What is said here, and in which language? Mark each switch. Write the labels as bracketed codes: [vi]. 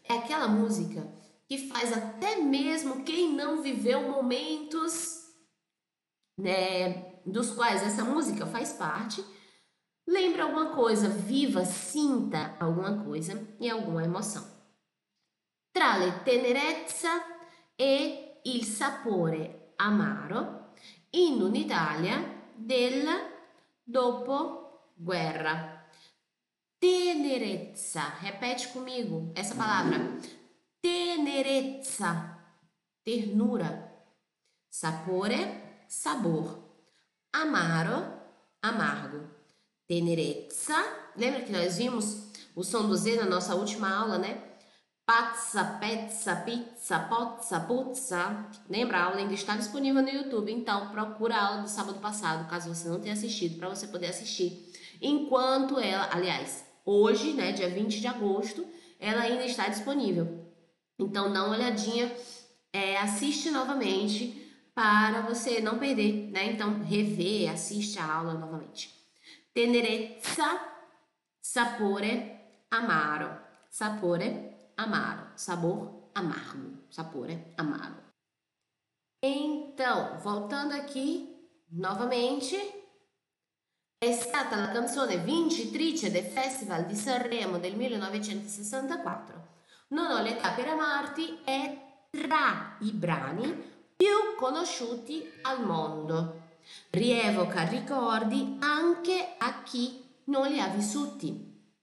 [it] È aquella musica che [pt] fa até mesmo quem não viveu momentos, né, dos quais essa música faz parte, Lembra alguma coisa, viva, sinta alguma coisa e alguma emoção. [it] Tra le tenerezza e il sapore amaro in un'Italia del dopoguerra. [pt] Tenerezza, repete comigo essa palavra. [it] Tenerezza, ternura. Sapore, sabor. Amaro, amargo. [pt] Tenerezza, lembra que nós vimos o som do Z na nossa última aula, né? [it] Pazza, pezza, pizza, pozza, puzza. [pt] Lembra, a aula ainda está disponível no YouTube, então procura a aula do sábado passado, caso você não tenha assistido, para você poder assistir. Enquanto ela, aliás, hoje, né, dia 20 de agosto, ela ainda está disponível. Então dá uma olhadinha, assiste novamente para você não perder, né? Então revê, assiste a aula novamente. [it] Tenerezza, sapore, amaro. Sapore, amaro. [pt] Sabor, amargo. [it] Sapore, amaro. [pt] Então, voltando aqui novamente. [it] È stata la canzone vincitrice del Festival di Sanremo del 1964. Non ho l'età per amarti è tra i brani più conosciuti al mondo. Rievoca ricordi anche a chi non li ha vissuti.